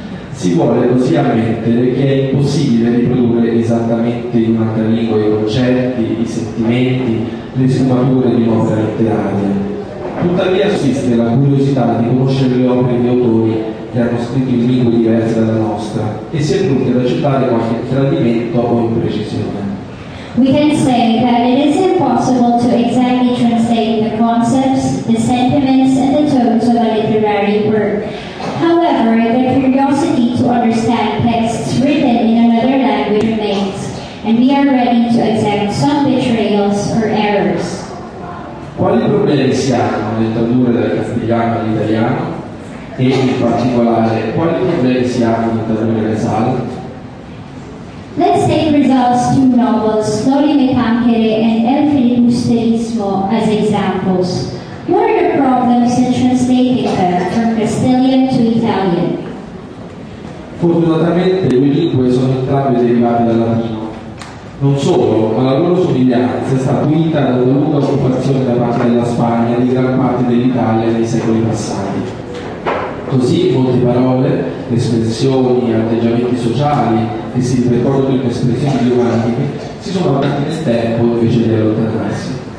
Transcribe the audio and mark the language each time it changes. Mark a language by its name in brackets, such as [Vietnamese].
[Italian] Si vuole così ammettere che è impossibile riprodurre esattamente in un'altra lingua i concetti, i sentimenti, le sfumature di un'opera letteraria. Tuttavia sussiste la curiosità di conoscere le opere di autori che hanno scritto in lingue diverse dalla nostra e si è pronti ad accettare qualche tradimento o imprecisione. [English] We can say that it is impossible to exactly translate the concepts, the sentiments and the tones of a literary work. However, the curiosity to understand texts written in another language remains, and we are ready to accept some betrayals or errors. [Italian] Quali problemi si hanno nel tradurre dal castigliano all'italiano? E in particolare, quali problemi si hanno nel tradurre le sale? [English] Let's take Rizal's two novels, Noli me cancere and El filibusterismo, as examples. What are the problems in translating them from Castilian to Italian? [Italian] Fortunatamente, le lingue sono entrambe derivate dal latino. Non solo, ma la loro somiglianza è stata unita da una lunga occupazione da parte della Spagna e di gran parte dell'Italia nei secoli passati. Così, molte parole, espressioni, atteggiamenti sociali che si ricordano in espressioni romantiche si sono avanti nel tempo invece di allontanarsi.